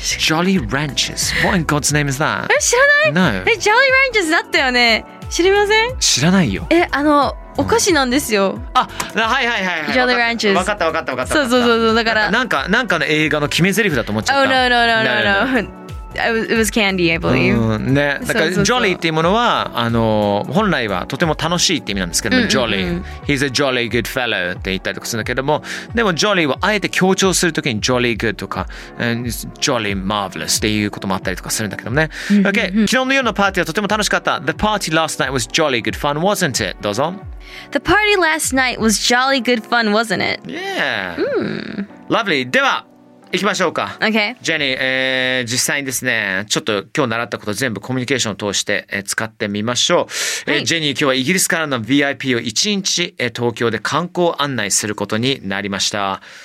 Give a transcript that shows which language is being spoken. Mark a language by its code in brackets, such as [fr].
[en] Jolly ranches, what in God's name is that? [ja] 知らない、 [en] no. [ja] Jolly ranches だったよね、知りません？知らないよ。え、あの、お菓子なんですよ、うん、あ、はいはいはい、ジョリーランチェス、分かった分かった分かった、そうそうそう、だからなんかの映画の決め台詞だと思っちゃった。 [en] Oh no no no no no, no. It was candy, I believe、 [ja] うん、ね、だからジョリーっていうものは、あの、本来はとても楽しいって意味なんですけども、うんうんうん、ジョリー [en] He's a jolly good fellow [ja] って言ったりとかするんだけども、でもジョリーはあえて強調するときにジョリーグッドとか、ジョリーマーヴラスっていうこともあったりとかするんだけどもね、うんうんうん、 OK、 昨日の夜のパーティーはとても楽しかった。 [en] The party last night was jolly good fun, wasn't it? [ja] どうぞ。 [en] The party last night was jolly good fun, wasn't it? Yeah、 [ja] うん、 [en] Lovely. [ja] では行きましょうか、 [en] okay. [ja] ジェニー、実際にですね、ちょっと今日習ったこと全部コミュニケーションを通して、使ってみましょう、はい、ジェニー、今日はイギリスからの VIP を1日、東京で観光案内することになりました。